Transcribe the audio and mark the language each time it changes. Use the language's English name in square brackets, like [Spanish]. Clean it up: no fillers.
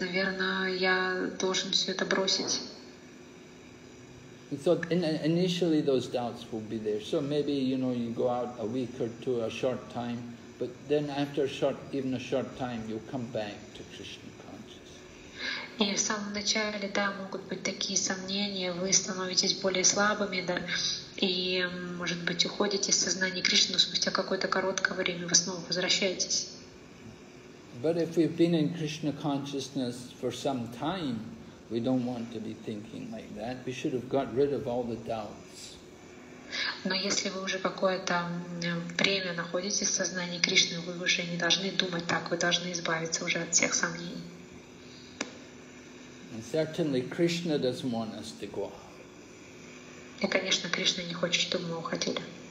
[Russian] Наверное, я должен все это бросить. [English] So initially those doubts will be there. So maybe, you know, you go out a week or two, a short time, but then after even a short time, you'll come back to Krishna consciousness. [Russian] И в самом начале, да, могут быть такие сомнения, вы становитесь более слабыми, да, и, может быть, уходите из сознания Кришны, но спустя какое-то короткое время вы снова возвращаетесь. [English] But if we've been in Krishna consciousness for some time, we don't want to be thinking like that. We should have got rid of all the doubts. [Russian] Но если вы уже какое-то время находитесь в сознании Кришны, вы уже не должны думать так, вы должны избавиться уже от всех сомнений. [English] And certainly Krishna doesn't want us to go. [Russian] И, конечно, Кришна не хочет, чтобы мы уходили.